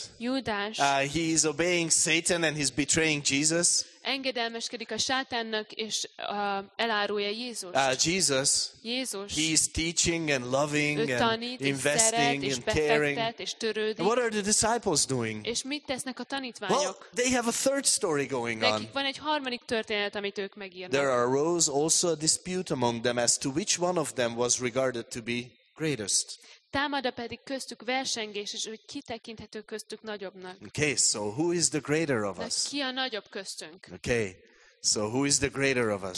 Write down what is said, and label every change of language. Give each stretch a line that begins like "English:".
English: He is obeying Satan and he's betraying Jesus.
Hungarian: Engedelmeskedik a sátánnak és elárulja Jézust.
English: Jesus.
Hungarian: Jézus.
English: He is teaching and loving
Hungarian: tanít,
English: and investing
Hungarian: és
English: and caring.
Hungarian: És törődik.
English: What are the disciples doing?
Hungarian: És mit tesznek a tanítványok?
English: Well, they have a third story going on.
Hungarian: Nekik van egy harmadik történet, amit ők megírnak.
English: There arose also a dispute among them as to which one of them was regarded to be greatest.
Hungarian: Támad a pedig köztük versengés, és hogy ki tekinthető köztük nagyobbnak.
English: Okay, so who is the greater of us?
Hungarian: Ki a nagyobb köztünk?
English: Okay, so who is the greater of us?